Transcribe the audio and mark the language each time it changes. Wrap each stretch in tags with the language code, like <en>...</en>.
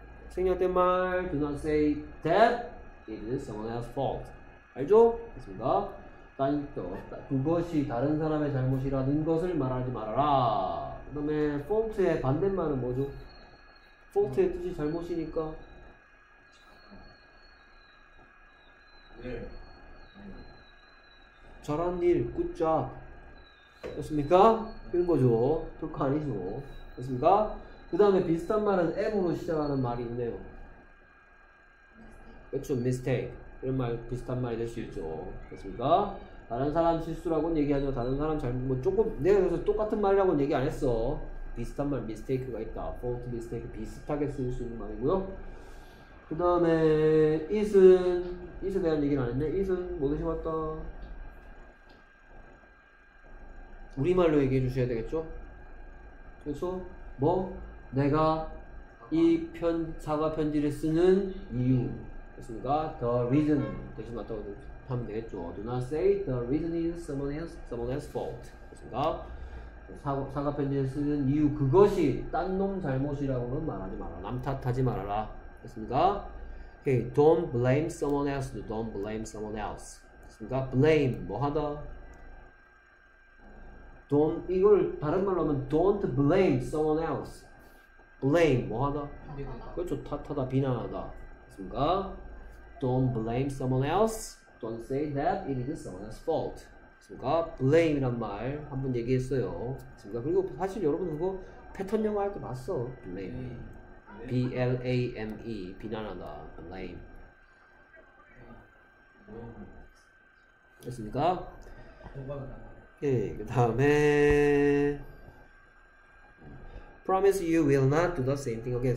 <ko>생략된 말</ko> <en>do not say that it is someone else's fault.</en> <ko>알죠? 됐습니까? 따니또 그것이 다른 사람의 잘못이라는 것을 말하지 말아라. 그 다음에 fault의 반대말은 뭐죠? fault의 뜻이 잘못이니까 저런 일 굿잡 됐습니까? 이런 거죠. 토크 아니죠. 됐습니까? 그 다음에 비슷한 말은 M으로 시작하는 말이 있네요. 그쵸, mistake. 이런 말, 비슷한 말이 될 수 있죠. 됐습니까? 다른 사람 실수라고는 얘기하죠. 다른 사람 잘못, 뭐 조금, 내가 여기서 똑같은 말이라고는 얘기 안 했어. 비슷한 말, mistake가 있다. fault, mistake. 비슷하게 쓸 수 있는 말이고요. 그 다음에 it은, it에 대한 얘기는 안 했네. it은 뭐 되지 왔다. 우리말로 얘기해 주셔야 되겠죠? 그래서 뭐? 내가 이 편 사과 편지를 쓰는 이유 됐습니까?</ko> <en>The reason</en> <ko>대신 맞다고 하면 되겠죠.</ko> <en>Do not say the reason is someone else's fault</en> <ko>됐습니까? 사과 편지를 쓰는 이유 그것이 딴 놈 잘못이라고는 말하지 마라. 남 탓하지 말아라. 됐습니까?</ko> <en>Okay. Don't blame someone else. Don't blame someone else</en> <ko>됐습니까?</ko> <en>Blame</en> <ko>뭐하다?</ko> <en>Don't</en> <ko>이걸 다른 말로 하면</ko> <en>don't blame someone else. Blame</en> <ko>뭐하다? 그렇죠. 탓하다, 비난하다. 됐습니까?</ko> <en>Don't blame someone else. Don't say that it is someone else's fault.</en> <ko>됐습니까? Blame이란 말 한번 얘기했어요. 됐습니까? 그리고 사실 여러분 그거 패턴 영화 할 때 봤어.</ko> <en>Blame. B-L-A-M-E.</en> <ko>비난하다.</ko> <en>Blame.</en> <ko>됐습니까? 예, 그 다음에</ko> <en>Promise you will not do the same thing again.</en>